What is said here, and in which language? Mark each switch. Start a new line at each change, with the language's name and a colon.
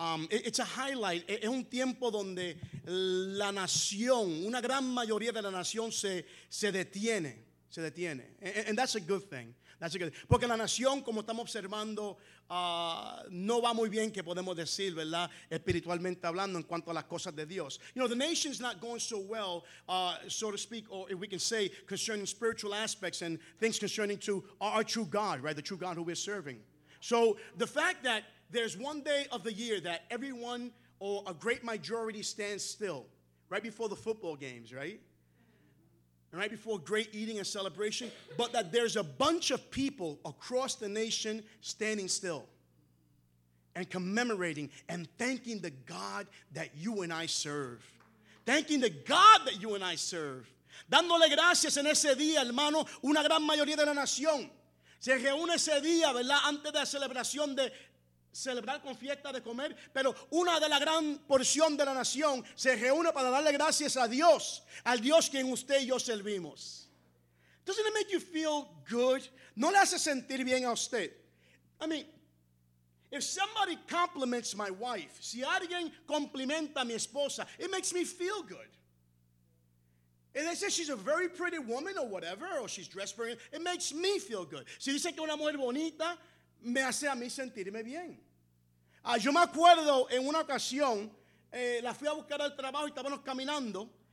English: It's a highlight.
Spanish: Es un tiempo donde la nación, una gran mayoría de la nación se detiene.
English: And that's a good thing.
Spanish: Porque la nación, como estamos observando, no va muy bien, que podemos decir, ¿verdad? Espiritualmente hablando, en cuanto a las cosas de Dios.
English: You know, the nation's not going so well, so to speak, or if we can say, concerning spiritual aspects and things concerning to our true God, right? The true God who we're serving. So the fact that there's one day of the year that everyone or a great majority stands still, right before the football games, right? Right before great eating and celebration, but that there's a bunch of people across the nation standing still and commemorating and thanking the God that you and I serve. Thanking the God that you and I serve.
Spanish: Dándole gracias en ese día, hermano, una gran mayoría de la nación se reúne ese día, ¿verdad? Antes de la celebración de celebrar con fiesta de comer, pero una de la gran porción de la nación se reúne para darle gracias a Dios, al Dios quien usted y yo servimos.
English: Doesn't it make you feel good?
Spanish: ¿No le hace sentir bien a usted?
English: I mean, if somebody compliments my wife,
Spanish: si alguien complimenta a mi esposa,
English: it makes me feel good. And they say she's a very pretty woman or whatever, or she's dressed very, it makes me feel good.
Spanish: Si dicen que una mujer bonita, me hace a mí sentirme bien. Yo me acuerdo en una ocasión, la fui a buscar al trabajo y estábamos caminando.